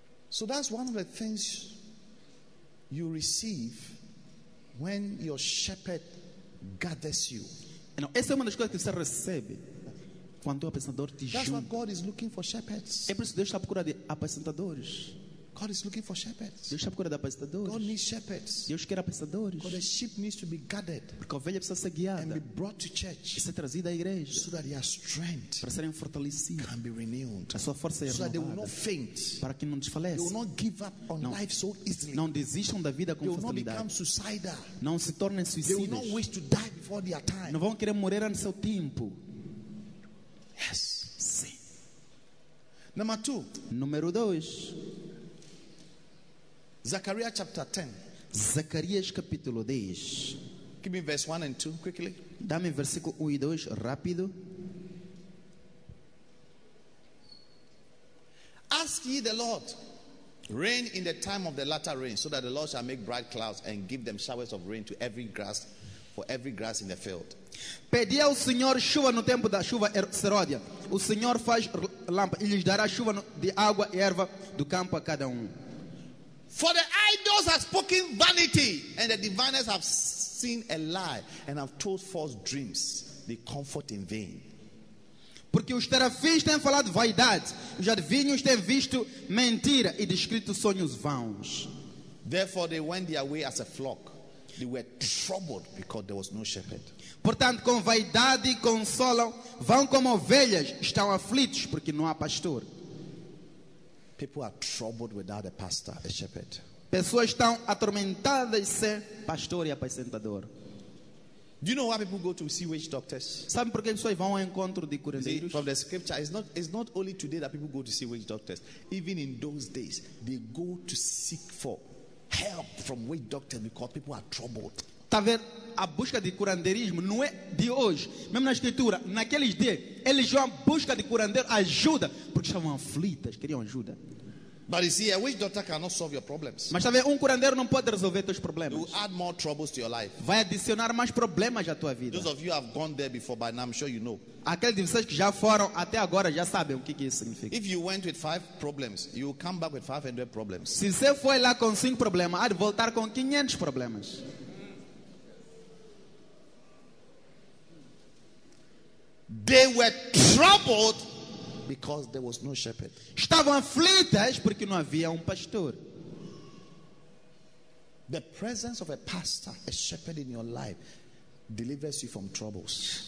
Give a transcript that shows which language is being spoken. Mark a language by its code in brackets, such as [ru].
[en] So that's one of the things you receive when your shepherd gathers you. [pt] Não, essa é uma das coisas que você recebe quando o apacentador te junta. [en] That's why God is looking for shepherds. [pt] É por isso que Deus está à procura de apacentadores. [en] God is looking for shepherds. [pt] Deus está à procura de apacentadores. [en] God needs shepherds. [pt] Deus quer apacentadores. [en] Because the sheep needs to be guarded. [pt] Porque a ovelha precisa ser guiada. [en] And be brought to church. [pt] E ser trazida à igreja. [en] So that their strength [pt] para serem fortalecidos. [en] Can be renewed. [pt] A sua força é renovada. [en] So that they will not faint. [pt] Para que não desfaleçam. [en] They will not give up on não, life so easily. [pt] Não desistam da vida com [en] they will [pt] facilidade. [en] Not become suicidal. [pt] Não se tornem suicidas. [en] They will not wish to die before their time. [pt] Não vão querer morrer antes do seu tempo. [en] Yes. [pt] Sim. [en] Number two. [pt] Número dois. [en] Zechariah chapter 10. [pt] Zacarias capítulo 10. [en] Give me verse 1 and 2 quickly. [pt] Dá-me versículo 1 e 2 rápido. [en] Ask ye the Lord rain in the time of the latter rain, so that the Lord shall make bright clouds and give them showers of rain to every grass, for every grass in the field. [pt] Pedi ao Senhor chuva no tempo da chuva seródia. O Senhor faz lâmpada e lhes dará chuva de água e erva do campo a cada um. [en] For the idols have spoken vanity, and the diviners have seen a lie and have told false dreams. They comfort in vain. [pt] Porque os terafins têm falado vaidade, os adivinhos têm visto mentira e descrito sonhos vãos. [en] Therefore they went their way as a flock. They were troubled because there was no shepherd. [pt] Portanto, com vaidade consolam, vão como ovelhas, estão aflitos porque não há pastor. [en] People are troubled without a pastor, a shepherd. [pt] Pessoas estão atormentadas sem pastor e apacentador. [en] Do you know why people go to see witch doctors? [pt] Sabe por que pessoas vão ao encontro de curandeiros? [en] From the scripture, it's not only today that people go to see witch doctors. Even in those days, they go to seek for help from witch doctors because people are troubled. [pt] Tá vendo? A busca de curandeirismo não é de hoje. Mesmo na escritura, naqueles dias, eles iam à busca de curandeiro, ajuda, porque estavam aflitas, queriam ajuda. [en] But you see, a witch doctor cannot solve your problems. [pt] Mas sabe, um curandeiro não pode resolver teus problemas. [en] You add more troubles to your life. [pt] Vai adicionar mais problemas à tua vida. [en] Those of you have gone there before, but I'm sure you know. [pt] Aqueles de vocês que já foram até agora já sabem o que isso significa. [en] If you went with 5 problems, you will come back with 500 problems. [pt] Se você foi lá com 5 problemas, há de voltar com 500 problemas. [en] They were troubled because there was no shepherd. [pt] Estavam aflitas porque não havia pastor. [en] The presence of a pastor, a shepherd in your life, delivers you from troubles.